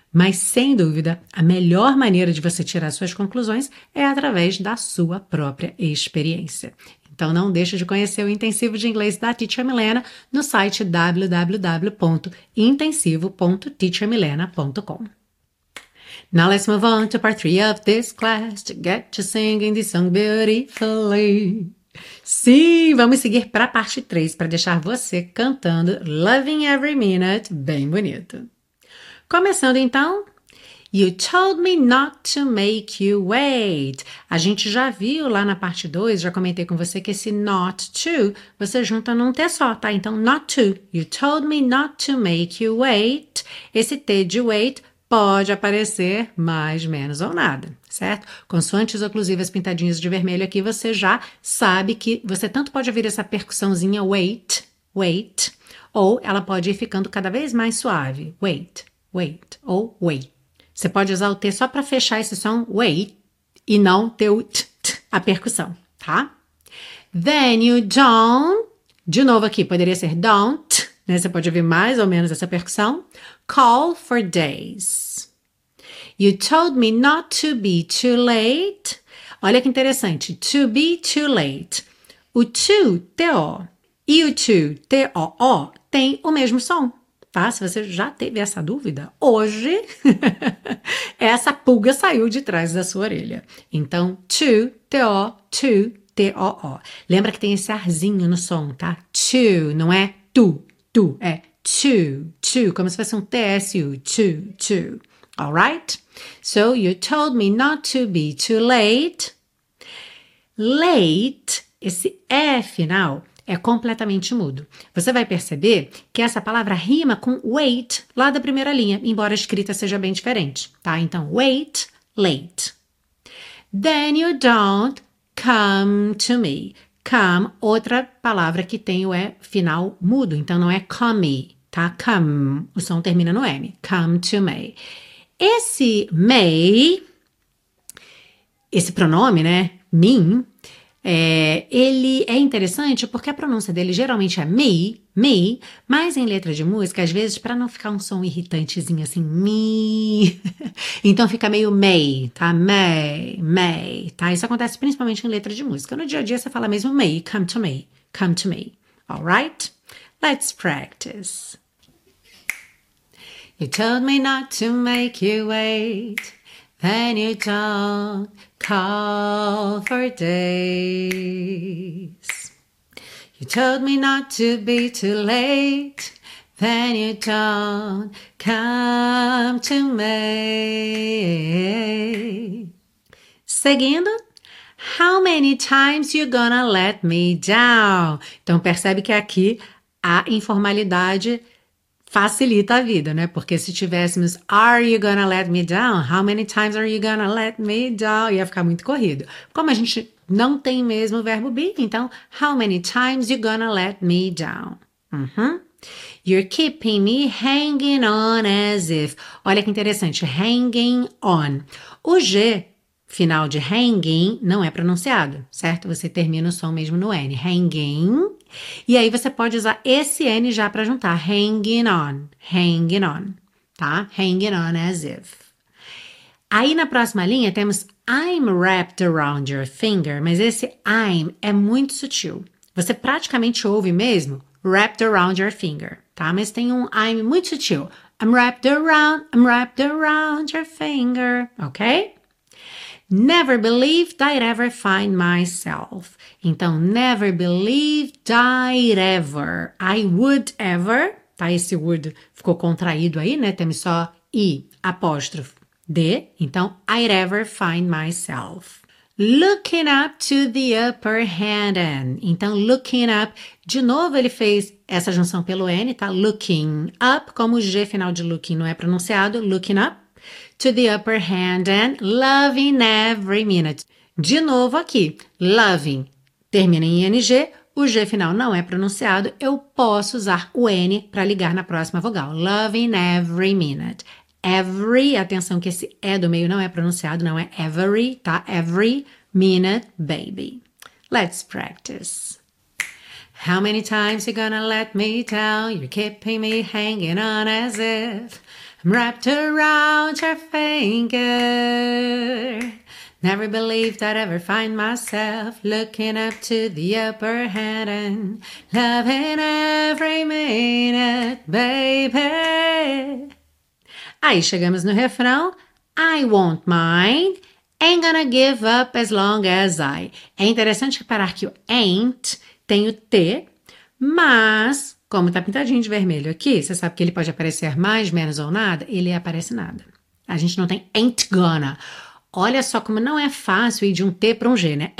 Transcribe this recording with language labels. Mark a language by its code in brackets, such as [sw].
[pt] Mas, sem dúvida, a melhor maneira de você tirar suas conclusões é através da sua própria experiência. Então, não deixe de conhecer o Intensivo de Inglês da Teacher Milena no site www.intensivo.teachermilena.com. [en] Now let's move on to part 3 of this class to get to singing this song beautifully. [pt] Sim, vamos seguir para a parte 3 para deixar você cantando Loving Every Minute bem bonito. Começando então, [en] You told me not to make you wait. [pt] A gente já viu lá na parte 2, já comentei com você que esse [en] not to [pt] você junta num T só, tá? [en] Então, not to. You told me not to make you wait. [pt] Esse T de wait pode aparecer mais, menos ou nada. Certo? Consoantes oclusivas pintadinhas de vermelho aqui, você já sabe que você tanto pode ouvir essa percussãozinha [en] wait, wait, [pt] ou ela pode ir ficando cada vez mais suave. [en] Wait, wait, [pt] ou wait. Você pode usar o T só para fechar esse som wait e não ter o t, a percussão, tá? [en] Then you don't, [pt] de novo aqui, poderia ser don't, né? Você pode ouvir mais ou menos essa percussão. [en] Call for days. You told me not to be too late. [pt] Olha que interessante. [en] To be too late. [pt] O to, T-O, e o to, T-O-O, tem o mesmo som, tá? Se você já teve essa dúvida, hoje essa pulga saiu de trás da sua orelha. Então, to, T-O-O. Lembra que tem esse arzinho no som, tá? To, não é tu, tu, é to, como se fosse um T-S-U, to. [en] All right? So you told me not to be too late. [pt] Late, esse E final, é completamente mudo. Você vai perceber que essa palavra rima com wait lá da primeira linha, embora a escrita seja bem diferente, tá? Então, [en] wait, late. Then you don't come to me. [pt] Come, outra palavra que tem o E final mudo, então não é come, tá? Come, o som termina no M. [en] Come to me. [pt] Esse me, esse pronome, né? Mim, ele é interessante porque a pronúncia dele geralmente é me, me, mas em letra de música, às vezes, para não ficar um som irritantezinho assim, me, então fica meio me, tá? Me, me, tá? Isso acontece principalmente em letra de música. No dia a dia, você fala mesmo me, [en] come to me, come to me. All right? Let's practice. You told me not to make you wait. Then you don't call for days. You told me not to be too late. Then you don't come to me. [pt] Seguindo. [en] How many times you gonna let me down? [pt] Então percebe que aqui a informalidade facilita a vida, né? Porque se tivéssemos [en] Are you gonna let me down? How many times are you gonna let me down? [pt] Ia ficar muito corrido. Como a gente não tem mesmo o verbo be, então [en] How many times you gonna let me down? Uhum. You're keeping me hanging on as if. [pt] Olha que interessante, [en] hanging on. [pt] O G final de hanging não é pronunciado, certo? Você termina o som mesmo no N. Hanging. E aí você pode usar esse N já para juntar. [en] Hanging on. Hanging on. [pt] Tá? [en] Hanging on as if. [pt] Aí na próxima linha temos [en] I'm wrapped around your finger. [pt] Mas esse I'm é muito sutil. Você praticamente ouve mesmo [en] wrapped around your finger. [pt] Tá? Mas tem um I'm muito sutil. [en] I'm wrapped around your finger. Ok? Never believed I'd ever find myself. Então, never believed I'd ever. I would ever. [pt] Tá, esse would ficou contraído aí, né? Temos só I, apóstrofo, D. [en] Então, I'd ever find myself. Looking up to the upper hand. Então, looking up. [pt] De novo, ele fez essa junção pelo N, tá? [en] Looking up. [pt] Como o G final de looking não é pronunciado, [en] looking up. To the upper hand and loving every minute. [pt] De novo aqui, loving termina em ing, o g final não é pronunciado, eu posso usar o n para ligar na próxima vogal. [en] Loving every minute. [pt] Every, atenção que esse e do meio não é pronunciado, não é every, tá? [en] Every minute, baby. Let's practice. How many times you gonna let me down? You're keeping me hanging on as if. I'm wrapped around your finger. Never believed I'd ever find myself looking up to the upper hand and loving every minute, baby. [pt] Aí chegamos no refrão. [en] I won't mind. Ain't gonna give up as long as I. [pt] É interessante reparar que o ain't tem o T, mas como tá pintadinho de vermelho aqui, você sabe que ele pode aparecer mais, menos ou nada, ele aparece nada. A gente não tem [en] ain't gonna. [pt] Olha só como não é fácil ir de um T para um G, né?